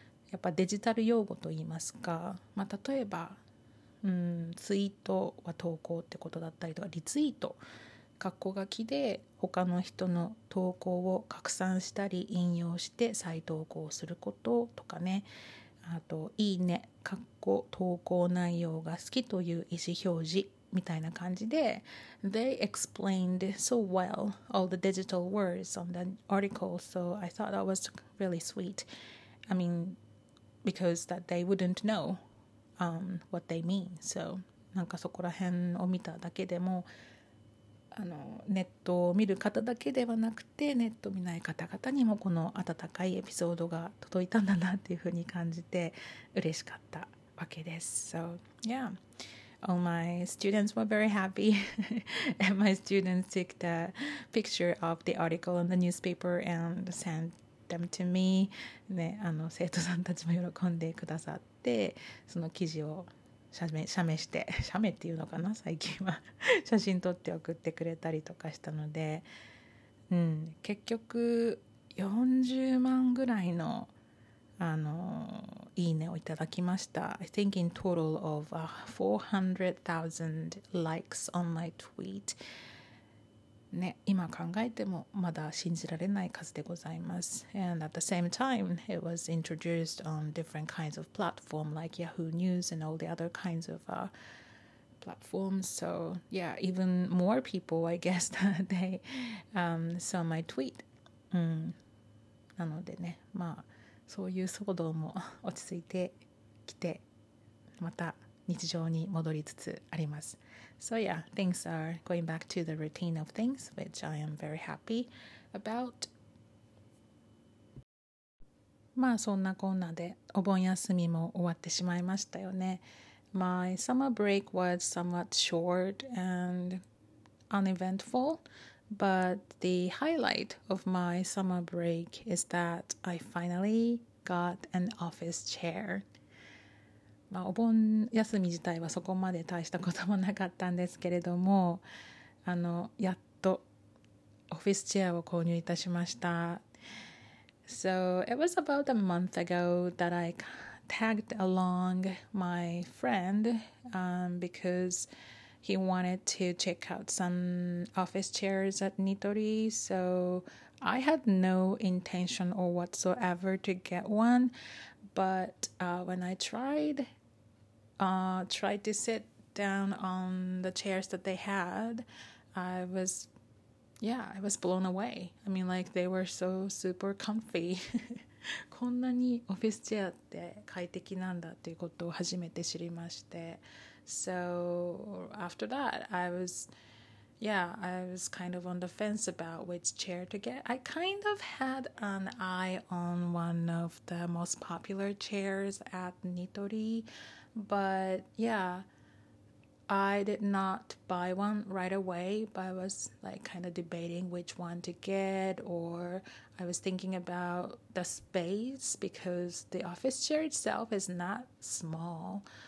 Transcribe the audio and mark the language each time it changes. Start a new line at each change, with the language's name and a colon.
Japanese: やっぱデジタル用語と言いますか、まあ、例えば、ツイートは投稿ってことだったりとか、リツイート、括弧書きで他の人の投稿を拡散したり引用して再投稿することとかね、あといいね、括弧投稿内容が好きという意思表示みたいな感じで、
English: They explained so well all the digital words on the article, so I thought that was really sweet. I mean,because that they wouldn't know what they mean. So,
Japanese: なんかそこら辺を見ただけでも、あのネットを見る方だけではなくて、ネットを見ない方々にもこの温かいエピソードが届いたんだなっていうふうに感じて嬉しかったわけです。
English: So, yeah, all my students were very happy. And my students took the picture of the article in the newspaper and sent. Them to me.
Japanese: ね、あの生徒さんたちも喜んでくださってその記事を写メっていうのかな最近は写真撮って送ってくれたりとかしたので、結局40万ぐらいの、あのいいねをいただきました
English: I think in total of 400,000 likes on my tweet、
Japanese: ね、今考えてもまだ信じられない数でございます。
English: And at the same time, it was introduced on different kinds of platform like Yahoo News and all the other kinds of platforms. So yeah, even more people, I guess, they saw my tweet.、
Japanese: なのでね、まあそういう騒動も落ち着いてきて、また日常に戻りつつあります。
English: So yeah, things are going back to the routine of things, which I am very happy about.
Japanese: まあそんなこんなでお盆休みも終わってしまいましたよね。
English: My summer break was somewhat short and uneventful, but the highlight of my summer break is that I finally got an office chair.
Japanese: まあ、お盆休み自体はそこまで大したこともなかったんですけれどもあのやっとオフィスチェアを購入いたしました
English: So it was about a month ago that I tagged along my friend because he wanted to check out some office chairs at Nitori So I had no intention or whatsoever to get one but when I tried to sit down on the chairs that they had, I was blown away. I mean, like, they were so super comfy.
Japanese: こんなにオフィスチェアって快適なんだっていうことを初めて知りまして。
English: So, after that, I was kind of on the fence about which chair to get. I kind of had an eye on one of the most popular chairs at Nitori. But yeah, I did not buy one right away, but I was like kind of debating which one to get, or I was thinking about the space because the office chair itself is not small.